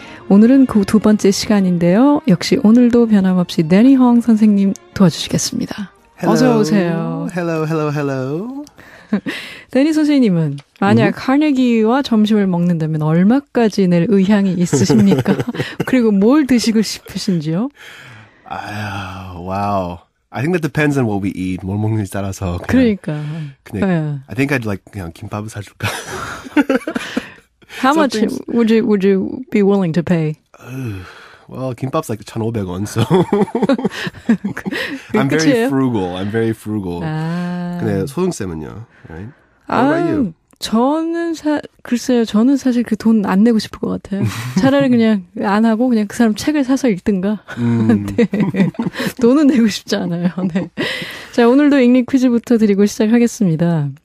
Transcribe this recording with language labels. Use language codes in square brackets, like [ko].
[ko] 오늘은 그 두 번째 시간인데요. 역시 오늘도 변함없이 데니 허황 선생님 도와주시겠습니다. 어서오세요. [en] Hello, hello, hello. [ko] 데니 선생님은 만약 카네기와 점심을 먹는다면 얼마까지 낼 의향이 있으십니까? 그리고 뭘 드시고 싶으신지요? 와우. [en] I think that depends on what we eat. [ko] 뭘 먹는지 따라서. 그러니까. [en] 그냥, yeah. I think I'd like [ko] 그냥 김밥을 사줄까. [en] How much would you be willing to pay? Well, 김밥's like 1,500원, so. I'm very frugal. I'm very frugal. [ko] 근데 소등쌤은요, [en] right? What about you? [ko] 저는 사실 그 돈 안 내고 싶을 것 같아요. 차라리 그냥 안 하고 그냥 그 사람 책을 사서 읽든가. 네. 돈은 내고 싶지 않아요. 네. 자, 오늘도 읽는 퀴즈부터 드리고 시작하겠습니다.